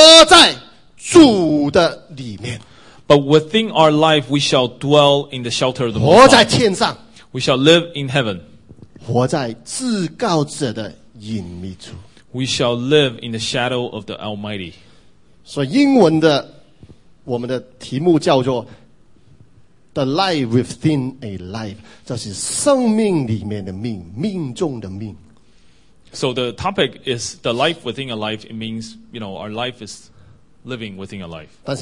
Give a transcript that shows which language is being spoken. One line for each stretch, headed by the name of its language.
Chinese: 我们乃要在这个命的里面活在主的里面。
English: But within our life, we shall dwell in the shelter of the Most High.
Chinese: 活在天上。
English: We shall live in heaven.
Chinese: 活在至高者的隐秘处。
English: We shall live in the shadow of the Almighty.
Chinese: 所以英文的我们的题目叫做
English: The Light Within a Life.
Chinese: 这是生命里面的命, 命中的命。
English: So the topic is the life within a life. It means, you know, our life is living within a life.